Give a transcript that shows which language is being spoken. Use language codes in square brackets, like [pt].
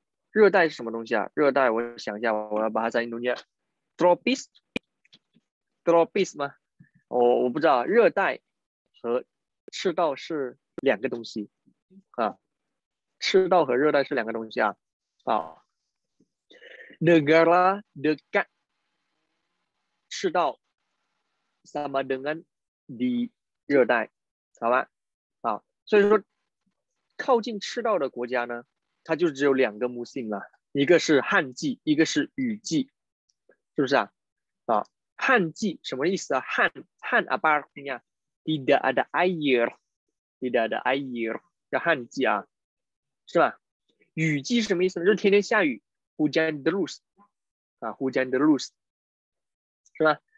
[zh] 热带是什么东西啊？热带，我想一下，我要把它在印度念 ，tropis，tropis 吗？我不知道，热带和赤道是两个东西啊，赤道和热带是两个东西啊。 [id] 好 ，negara dekat 赤道 sama dengan di 热带，好吧？ [zh] 好，所以说靠近赤道的国家呢？它就只有两个 musim 了，一个是旱季，一个是雨季，是不是啊？啊，旱季什么意思啊？旱 [id] apa artinya？ Tidak ada air， tidak ada air， [zh] 叫旱季啊，是吧？雨季是什么意思呢？就是天天下雨， [id] hujan terus， [zh] 啊， hujan terus， 是吧？